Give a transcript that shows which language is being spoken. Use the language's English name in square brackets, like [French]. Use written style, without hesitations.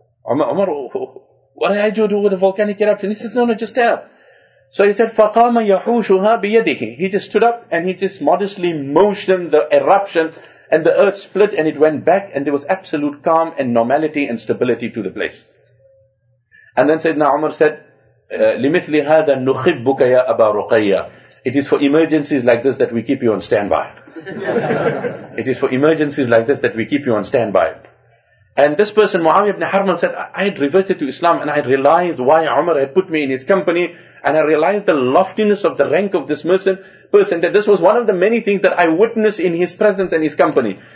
[English] Umar, what do I do with a volcanic eruption? He says, no, just stand up. So he said, [Arabic] فَقَامَ يَحُوشُهَا بِيَدِهِ. [English] He just stood up and he just modestly motioned the eruption and the earth split and it went back and there was absolute calm and normality and stability to the place. And then Sayyidina Umar said, [Arabic] لِمِثْلِ هَذَا نُخِبُّكَ يَا أَبَا رُقَيَّةَ. [English] It is for emergencies like this that we keep you on standby. It is for emergencies like this that we keep you on standby. And this person, Muawiyah ibn Harman, said, I had reverted to Islam and I realized why Umar had put me in his company. And I realized the loftiness of the rank of this person, that this was one of the many things that I witnessed in his presence and his company.